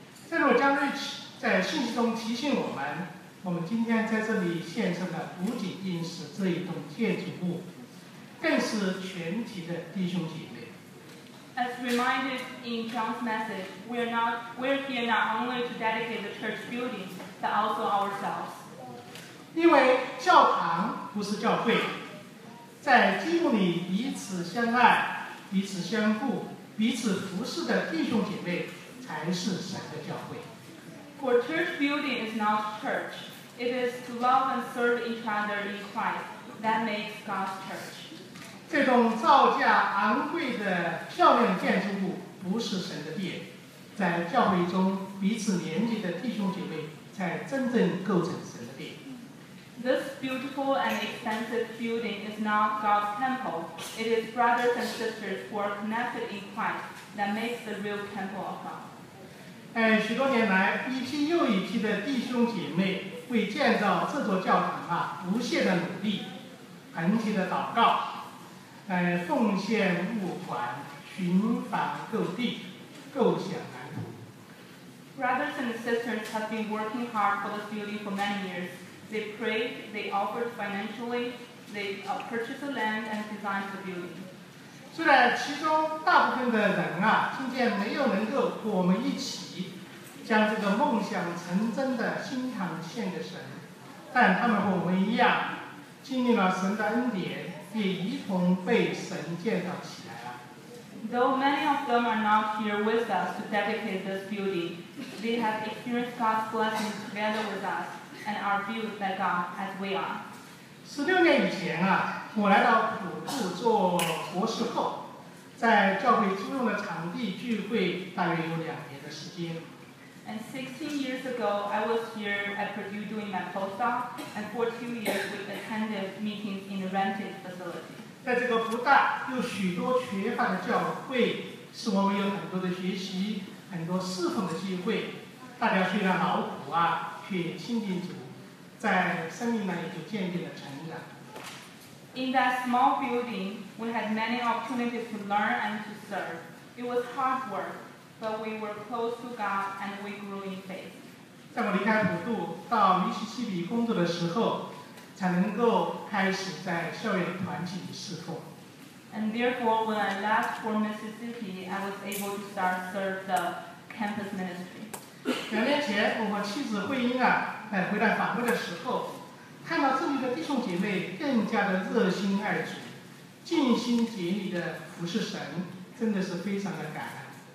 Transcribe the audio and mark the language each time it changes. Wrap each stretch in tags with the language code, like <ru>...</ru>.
<zh>正如 John Rich 在信息中提醒我们，我们今天在这里献上的不仅仅是这一栋建筑物，更是全体的弟兄姐妹。</zh> <en>As reminded in John's message, we're here not only to dedicate the church building, but also ourselves.</en> <zh>因为教堂不是教会，在基督里彼此相爱、彼此相互、彼此服侍的弟兄姐妹才是神的教会。</zh> <en>For church building is not church; it is to love and serve each other in Christ that makes God's church.</en> <zh>这种造价昂贵的漂亮建筑物不是神的殿，在教会中彼此连接的弟兄姐妹才真正构成神的殿。</zh> <en>This beautiful and expensive building is not God's temple. It is brothers and sisters who are connected in Christ that makes the real temple of God.</en> <zh>许多年来，一批又一批的弟兄姐妹为建造这座教堂啊，不懈的努力，恳切的祷告。奉献物款，寻访各地，构想蓝图。</zh> <en>Brothers and sisters have been working hard for this building for many years. They prayed, they offered financially, they purchased the land and designed the building.</en> <zh>虽然其中大部分的人啊，今天没有能够和我们一起将这个梦想成真的心肠献给神，但他们和我们一样，经历了神的恩典。也一同被神建造起来了。</zh> <en>Though many of them are not here with us to dedicate this beauty, they have experienced God's blessing together with us and are built by God as we are.</en> <zh>16年以前啊，我来到普渡做博士后，在教会租用的场地聚会大约有两年的时间。</zh> <en>And 16 years ago, I was here at Purdue doing my postdoc, and for 2 years, we attended meetings in a rented facility.</en> <zh>在这个不大又许多缺乏的教会，使我们有很多的学习、很多侍奉的机会。大家虽然劳苦啊，却亲近主，在生命呢也就渐渐的成长。</zh> <en>In that small building, we had many opportunities to learn and to serve. It was hard work. But we were close to God and we grew in faith.</en> <zh>在我离开普渡到密西西比工作的时候，才能够开始在校园团体里侍奉。</zh> <en>And therefore, when I left for Mississippi, I was able to start serve the campus ministry.</en> <zh>两年前，我和妻子慧英啊，在回来返回的时候，看到这里的弟兄姐妹更加的热心爱主，尽心竭力的服侍神，真的是非常的感恩。</zh>